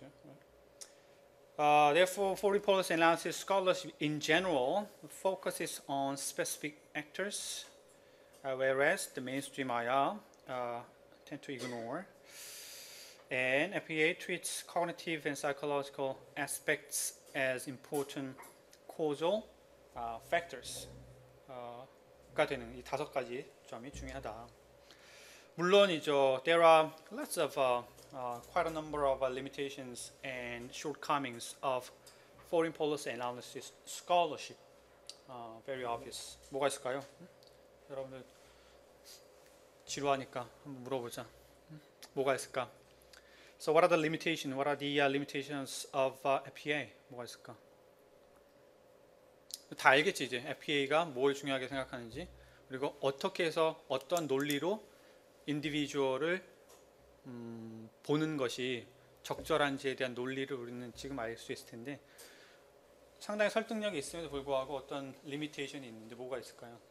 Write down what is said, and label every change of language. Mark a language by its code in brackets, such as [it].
[en] Right? Therefore, foreign policy analysis scholars in general focuses on specific actors, whereas the mainstream IR tend to ignore. And FPA treats cognitive and psychological aspects as important causal factors. [ko] 되는 이 다섯 가지 점이 중요하다. 물론이죠. [en] There are lots of quite a number of limitations and shortcomings of foreign policy analysis scholarship. Very obvious. [ko] 뭐가 있을까요? 여러분들 지루하니까 한번 물어보자. 뭐가 있을까? [en] So what are the limitations? What are the limitations of FPA? 뭐가 있을까? [ko] 다 알겠지 이제 FPA가 뭘 중요하게 생각하는지. 그리고 어떻게 해서 어떤 논리로 인디비주얼을 보는 것이 적절한지에 대한 논리를 우리는 지금 알 수 있을 텐데 상당히 설득력이 있음에도 불구하고 어떤 리미테이션이 있는데 뭐가 있을까요?